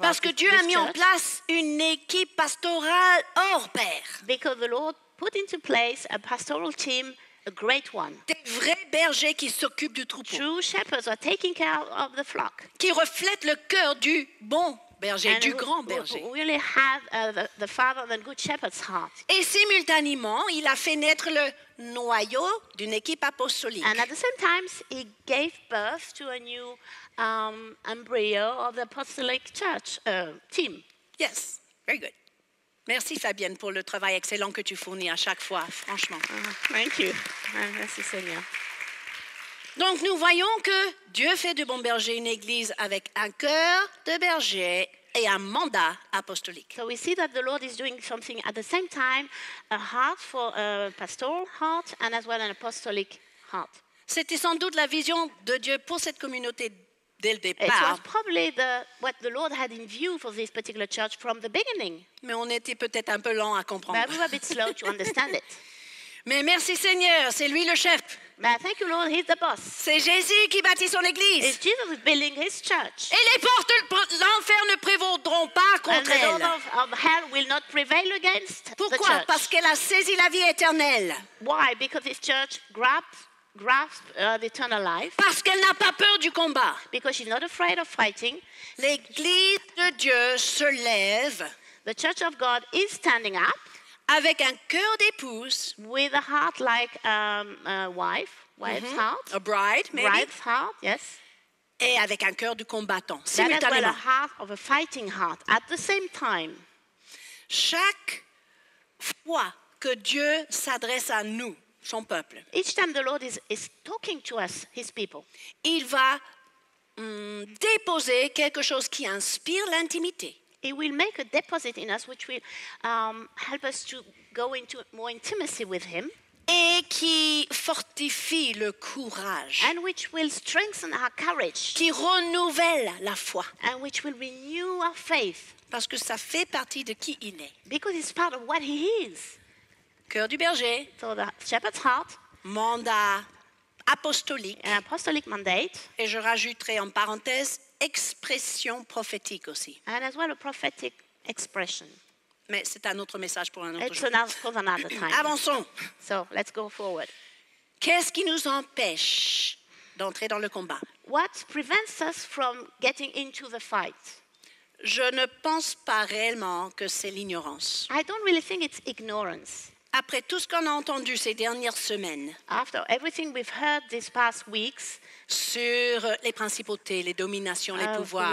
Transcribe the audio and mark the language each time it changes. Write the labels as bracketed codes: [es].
[fr] Parce que Dieu a mis en place une équipe pastorale hors pair. [en] Because the Lord put into place a pastoral team, a great one. [fr] Des vrais bergers qui s'occupent du troupeau. [en] True shepherds are taking care of the flock. [fr] Qui reflètent le cœur du bon berger, du grand berger. [en] We really have the father and good shepherd's heart. [fr] Et simultanément, il a fait naître le noyau d'une équipe apostolique. [en] And at the same time, he gave birth to a new embryo of the apostolic church team. Yes, very good. [fr] Merci Fabienne pour le travail excellent que tu fournis à chaque fois, franchement. [en] Thank you. [fr] Merci Seigneur. Donc nous voyons que Dieu fait du bon berger une église avec un cœur de berger et un mandat apostolique. [en] So we see that the Lord is doing something at the same time, a heart for a pastoral heart and as well an apostolic heart. [fr] C'était sans doute la vision de Dieu pour cette communauté dès le départ. [en] It was probably what the Lord had in view for this particular church from the beginning. [fr] Mais on était peut-être un peu lent à comprendre. [en] But we were a bit slow to understand it. [fr] Mais merci Seigneur, c'est lui le chef. [en] But thank you Lord, he's the boss. [fr] C'est Jésus qui bâtit son église. [en] It's Jesus who's building his church. [fr] Et les portes de l'enfer ne prévaudront pas contre elle. [en] And the doors of hell will not prevail against the church. [fr] Pourquoi? Parce qu'elle a saisi la vie éternelle. [en] Why? Because this church grasped the eternal life. [fr] Parce qu'elle n'a pas peur du combat. [en] Because she's not afraid of fighting. [fr] L'église de Dieu se lève. [en] The church of God is standing up. [fr] Avec un cœur d'épouse. [en] With a heart like a wife, wife's mm-hmm. heart. A bride, maybe. Wife's heart, yes. [fr] Et avec un cœur du combattant, simultanément. [en] That is with a heart of a fighting heart, at the same time. [fr] Chaque fois que Dieu s'adresse à nous, son peuple. [en] Each time the Lord is talking to us, his people. [fr] Il va déposer quelque chose qui inspire l'intimité. [en] He will make a deposit in us which will help us to go into more intimacy with him. [fr] Et qui fortifie le courage. [en] And which will strengthen our courage. [fr] Qui renouvelle la foi. [en] And which will renew our faith. [fr] Parce que ça fait partie de qui il est. [en] Because it's part of what he is. [fr] Cœur du berger. [en] So the shepherd's heart. [fr] Mandat apostolique. [en] An apostolic mandate. [fr] Et je rajouterai en parenthèse expression prophétique aussi. [en] And as well a prophetic expression. [fr] Mais c'est un autre message pour un autre [en] It's [fr] jour. [en] It's another for another time. [fr] Avançons. [en] So let's go forward. [fr] Qu'est-ce qui nous empêche d'entrer dans le combat? [en] What prevents us from getting into the fight? [fr] Je ne pense pas réellement que c'est l'ignorance. [en] I don't really think it's ignorance. [fr] Après tout ce qu'on a entendu ces dernières semaines. [en] After everything we've heard these past weeks. [fr] Sur les principautés, les dominations, les pouvoirs.